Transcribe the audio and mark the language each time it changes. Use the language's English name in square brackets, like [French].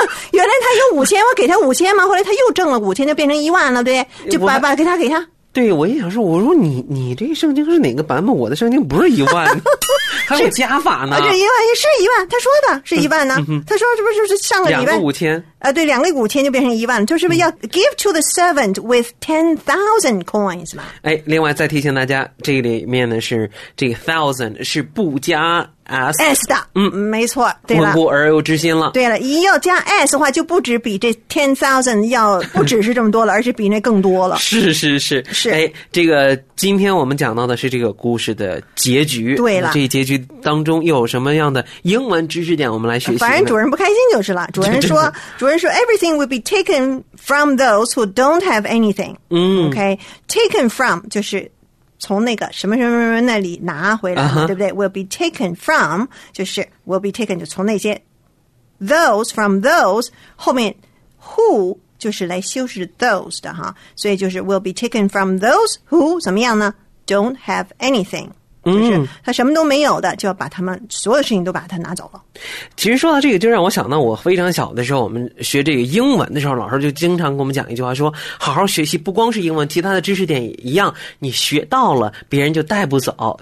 [Chinese] 原来他有5000，我给他5000嘛，后来他又挣了5000，就变成10000了，对不对？就把给他给他。对，我也想说，我说你这圣经是哪个版本？我的圣经不是10000，还有加法呢。这10000也是10000，他说的是10000呢。他说是不是就是上个礼拜 2000？对，2000就变成10000，就是不是要 [English] give to the servant with 10,000 coins [Chinese] 嘛？哎，另外再提醒大家，这里面呢是这个 thousand 是不加 s 的，没错，对了，温故而又知新了。对了，一要加 s 的话，就不止比这 10,000 要不只是这么多了，而且比那更多了。是。哎，这个今天我们讲到的是这个故事的结局。对了，这结局当中又有什么样的英文知识点我们来学习？反正主人不开心就是了。主人说 [English] everything will be taken from those who don't have anything. Okay, taken from [Chinese] 就是从那个什么什么什么那里拿回来、uh-huh. 对不对？ [English] will be taken from [Chinese] 就是 [English] will be taken [Chinese] 就从那些 [English] those from those [Chinese] 后面 [English] who [Chinese] 就是来修饰 [English] those [Chinese] 的哈，所以就是 [English] will be taken from those who [Chinese] 怎么样呢？ [English] don't have anything。 [Chinese] 就是他什么都没有的，就要把他们所有事情都把他拿走了。其实说到这个，就让我想到我非常小的时候，我们学这个英文的时候，老师就经常跟我们讲一句话，说好好学习，不光是英文，其他的知识点也一样，你学到了，别人就带不走。